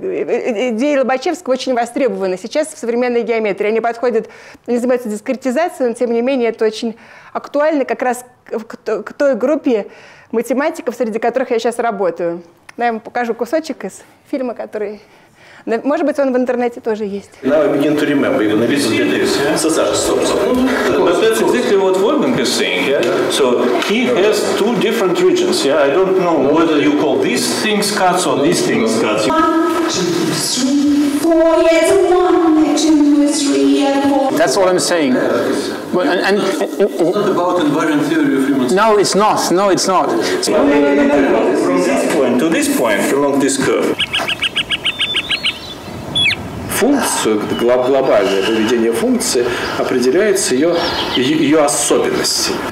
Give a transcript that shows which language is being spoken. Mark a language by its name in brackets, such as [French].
[Russian] Идеи Лобачевского очень востребованы сейчас в современной геометрии. Они подходят, они занимаются дискретизацией, но, тем не менее, это очень актуально как раз к той группе математиков, среди которых я сейчас работаю. Я вам покажу кусочек из фильма, который... Может быть, он в интернете тоже есть. [English] Now I begin to remember, even if it's But that's exactly what Wolfgang is saying, yeah? So he has two different regions, yeah? I don't know whether you call these things cuts or these things cuts. One, two, three, four, yes, one, two, three, four. That's all I'm saying. But, and it's not about invariant theory of humans. No, it's not. No, it's not. From this point to this point along this curve. [Russian] Функцию, глобальное поведение функции определяется ее особенностями.